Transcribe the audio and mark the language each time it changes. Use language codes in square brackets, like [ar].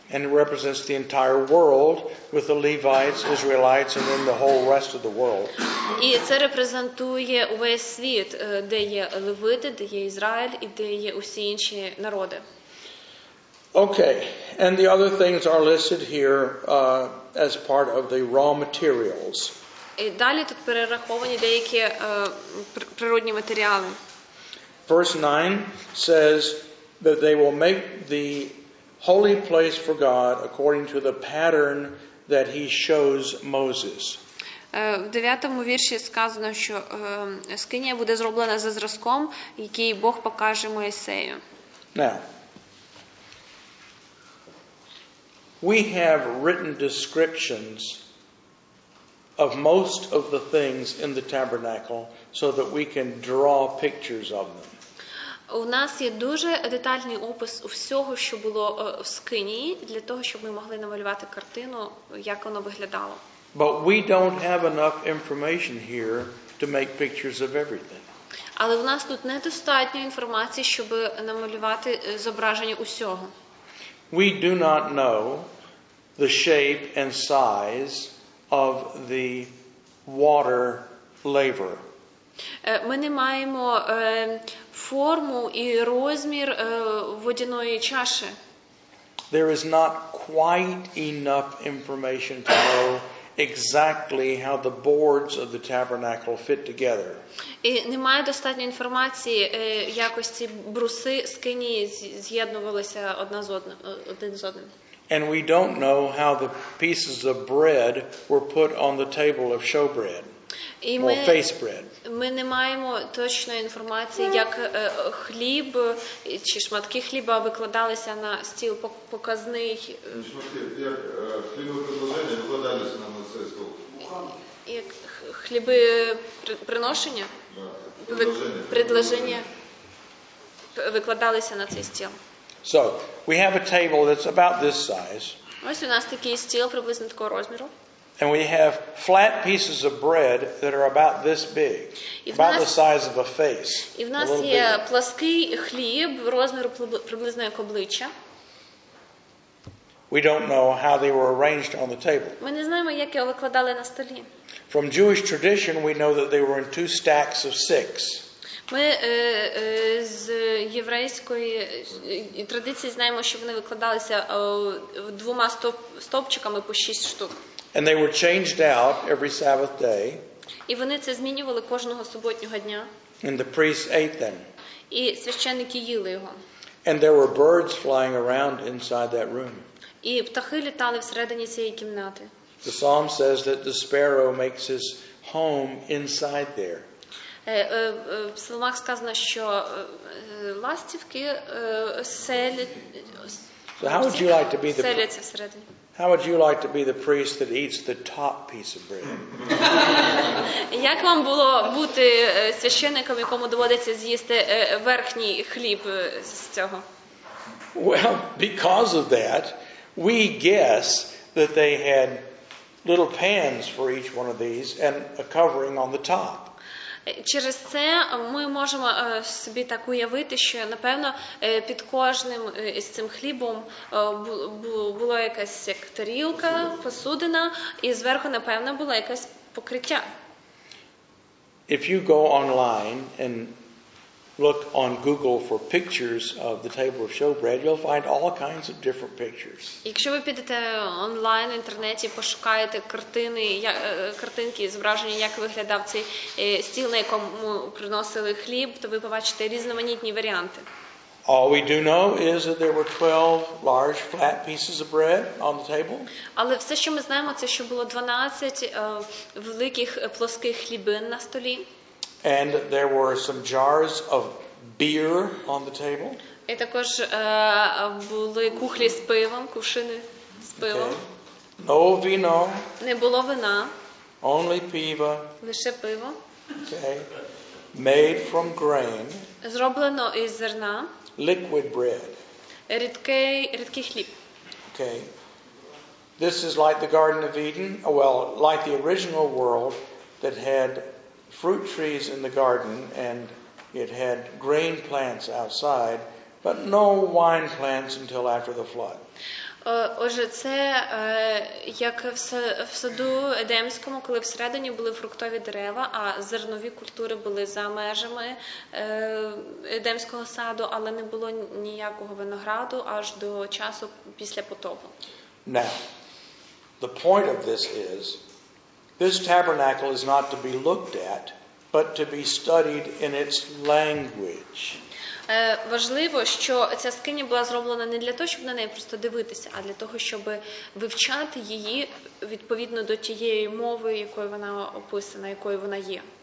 [en] And it represents the entire world with the Levites, Israelites, and then the whole rest of the world. [uk] І це репрезентує весь світ, де є левити, де є Ізраїль і де є усі інші народи. [en] Okay, and the other things are listed here as part of the raw materials. [uk] І далі тут перераховані деякі природні матеріали. [en] Verse 9 says that they will make the holy place for God according to the pattern that he shows Moses. [uk] В 9-му вірші сказано, що скинія буде зроблена за зразком, який Бог покаже Моїсею. [en] Now, we have written descriptions of most of the things in the tabernacle so that we can draw pictures of them. [uk] У нас є дуже детальний опис всього, що було в скинії, для того, щоб ми могли намалювати картину, як воно виглядало. [en] But we don't have enough information here to make pictures of everything. [uk] Але в нас тут недостатньо інформації, щоб намалювати зображення усього. [en] We do not know the shape and size of the water laver. [uk] Ми не маємо форму і розмір водяної чаші. [en] There is not quite enough information to know exactly how the boards of the tabernacle fit together. [uk] І немає достатньо інформації, якось ці бруси скинії з'єднувалися одна з одною, один з одним. [en] And we don't know how the pieces of bread were put on the table of showbread, or face bread. [uk] Ми не маємо точної інформації, як хліб чи шматки хліба викладалися на стіл показний. Шматки, як хліби приношення викладалися на стіл. Як хліби приношення? Предложення. Предложення викладалися на цей стіл. [en] So, we have a table that's about this size. [uk] Ось у нас такий стіл приблизно такого розміру. [en] And we have flat pieces of bread that are about this big. About the size of a face. [uk] І в нас є плаский хліб розміру приблизно як обличчя. [en] We don't know how they were arranged on the table. [uk] Ми не знаємо, як його викладали на столі. [en] From Jewish tradition, we know that they were in two stacks of six. [uk] Ми з єврейської традиції знаємо, що вони викладалися двома стовпчиками по 6 штук. [en] And they were changed out every Sabbath day. [uk] І вони це змінювали кожного суботнього дня. [en] And the priests ate them. [uk] І священники їли його. [en] And there were birds flying around inside that room. [uk] І птахи літали всередині цієї кімнати. [en] The psalm says that the sparrow makes his home inside there. [uk] В псалмах сказано, що ластівки селяться всередині. [en] How would you like to be the priest that eats the top piece of bread? [uk] Як вам було бути священником, якому доводиться з'їсти верхній хліб з цього? [en] Well, because of that, we guess that they had little pans for each one of these and a covering on the top. [uk] Через це ми можемо собі так уявити, що, напевно, під кожним із цим хлібом була якась як тарілка, посудина, і зверху, напевно, була якась покриття. [en] If you go online and look on Google for pictures of the table of showbread, you'll find all kinds of different pictures. [uk] Якщо ви підете онлайн, в інтернеті, пошукаєте картинки, зображення, як виглядав цей стіл, на якому приносили хліб, то ви побачите різноманітні варіанти. [en] All we do know is that there were 12 large flat pieces of bread on the table. [uk] Але все, що ми знаємо, це що було 12 великих плоских хлібин на столі. [en] And there were some jars of beer on the table. [uk] І також були кухлі з пивом, кувшини з пивом. [en] No vino. [uk] Не було вина. [en] Only piva. [uk] Лише пиво. [en] Okay. Made from grain. [uk] Зроблено із зерна. [en] Liquid bread. [uk] Рідкий хліб. [en] Okay. This is like the Garden of Eden, like the original world that had fruit trees in the garden and it had grain plants outside, but no wine plants until after the flood. [uk] Отже, це як в саду Едемському, коли всередині були фруктові дерева, а зернові культури були за межами Едемського саду, але не було ніякого винограду аж до часу після потопу. [en] Now, the point of this is, this tabernacle is not to be looked at, but to be studied in its language. [uk] Важливо, що ця скиня була зроблена не для того, щоб на неї просто дивитися, а для того, щоб вивчати її відповідно до тієї мови, якою вона описана, якою вона є.